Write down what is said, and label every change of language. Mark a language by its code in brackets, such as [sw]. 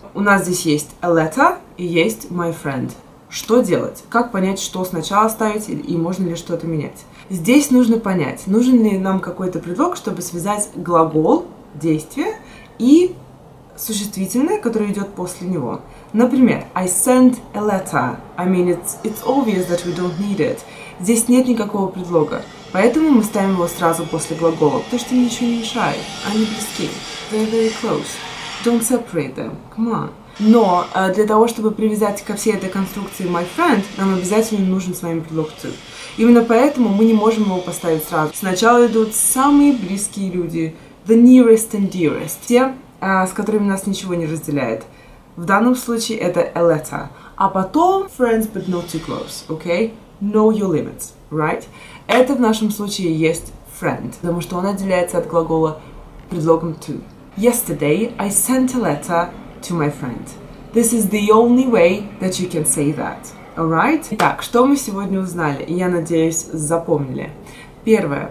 [ru] У нас здесь есть [en] a letter [ru] и есть [en] my friend. [ru] Что делать? Как понять, что сначала ставить и можно ли что-то менять? Здесь нужно понять, нужен ли нам какой-то предлог, чтобы связать глагол, действие и существительное, которое идет после него. Например, [en] I sent a letter. I mean, it's obvious that we don't need it. [ru] Здесь нет никакого предлога, поэтому мы ставим его сразу после глагола, потому что ничего не мешает. Они близки. [en] They're very close. Don't separate them. Come on. [ru] Но для того, чтобы привязать ко всей этой конструкции [en] my friend, [ru] нам обязательно нужен с вами предлог to. Именно поэтому мы не можем его поставить сразу. Сначала идут самые близкие люди, [en] the nearest and dearest, [ru] те, с которыми нас ничего не разделяет. В данном случае это [en] a letter. [ru] А потом [en] friends, but not too close, okay? Know your limits, right? [ru] Это в нашем случае есть friend, потому что он отделяется от глагола предлогом to. [en] Yesterday I sent a letter to my friend. This is the only way that you can say that. Alright? [ru] Итак, что мы сегодня узнали? Я надеюсь, запомнили. Первое.